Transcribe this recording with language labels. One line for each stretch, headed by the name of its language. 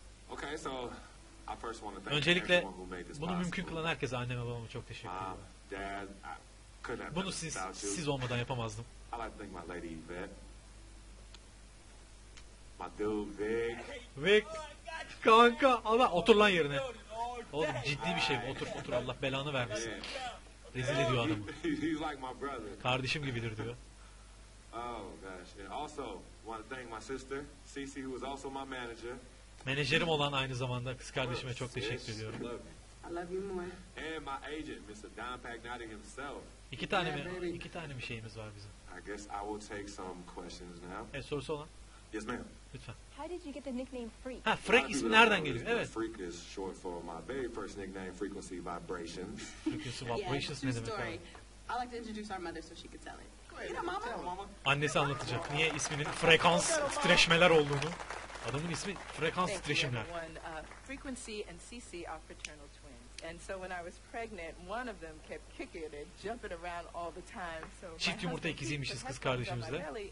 English: Okay, so I first want to thank
Turkish: öncelikle bunu mümkün kılan herkese anneme babama çok teşekkür ederim.
English: Dad, I couldn't have
Turkish: bunu siz, siz olmadan yapamazdım.
English: I like to thank my lady Yvette. My dude Vic.
Turkish: Vic. Kanka. Allah, otur lan yerine. Oğlum ciddi bir şey bu. Otur otur, Allah belanı vermesin. Rezil ediyor adamı.
English: He's like my brother.
Turkish: Kardeşim gibidir diyor.
English: Oh gosh. Yeah. Also, want to thank my sister, CC, who was also my manager.
Turkish: Menajerim olan aynı zamanda kız kardeşime çok teşekkür ediyorum.
English: I love you more. And my agent, Mr. Don Pagnotti himself.
Turkish: İki tane mi? Yeah, iki tane mi şeyimiz var bizim?
English: I guess I will take some questions now.
Turkish: Evet, sorusu olan.
English: Yes, ma'am.
Turkish: Lütfen.
English: How did you get the nickname Freak?
Turkish: Ha, Freak ismi nereden geliyor? Evet.
English: Freak is short for my very first nickname, Frequency Vibrations.
Turkish: Frequency Vibrations ne demek?
English: True story. I'd like to introduce our mother so she could tell it.
Turkish: Annesi anlatacak. Niye isminin frekans titreşmeler olduğunu. Adamın ismi frekans titreşimler.
English: Frequency and CC are fraternal twins. And so when I was pregnant, one of them kept kicking and jumping around all the time.
Turkish: Çift yumurta ikiziymişiz kız kardeşimizle.